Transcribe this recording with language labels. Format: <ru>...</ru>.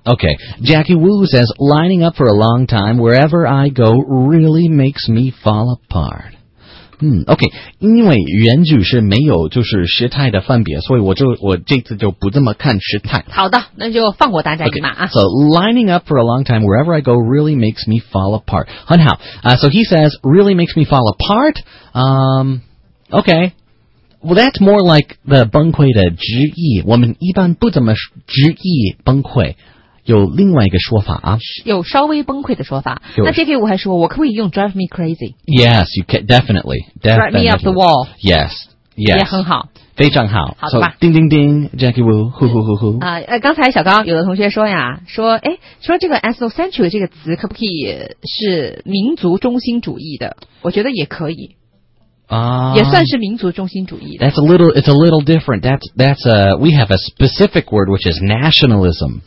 <en>Okay, Jackie Wu says, lining up for a long time wherever I go really makes me fall apart.</en> <zh>OK， 因为原句是没有就是时态的分别，所以我这次就不这么看时态。好的，那就放过大家一马啊。</zh> <en>Okay, so lining up for a long time wherever I go really makes me fall apart.</en> <zh>很好啊、</zh> <en>so he says really makes me fall apart. OK， well that's more like the</en> <zh>崩溃的直译。我们一般不怎么直译崩溃。有另外一个说法啊，有稍微崩溃的说法。那 JK 我还说，我可不可以用</zh> <en>drive me crazy？ Yes， you can definitely drive me up the wall。 Yes， yes，</en> <zh>也很好，非常好。好的吧？So, 叮叮叮 ，Jackie Wu， 呼呼呼呼。刚才小刚有的同学说呀，说这个 ethnocentric 这个词可不可以是民族中心主义的？我觉得也可以。也算是民族中心主义的。</zh> <en>It's a little different. We have a specific word which is nationalism.</en>